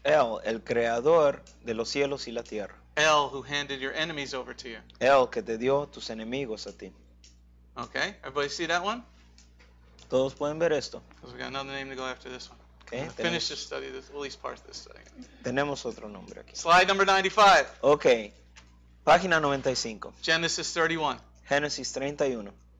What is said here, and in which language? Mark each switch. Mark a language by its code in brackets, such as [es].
[es] El, el creador de los cielos y la tierra. [en] El, who handed your enemies over to you. [es] El, que te dio tus enemigos a ti. [en] Okay, everybody see that one? [es] Todos pueden ver esto. [en] Because we got another name to go after this one. Okay, finish this study, this, at least part of this study. [es] Tenemos otro nombre aquí. [en] Slide number 95. [es] Okay, página 95. [en] Genesis 31. Genesis 31.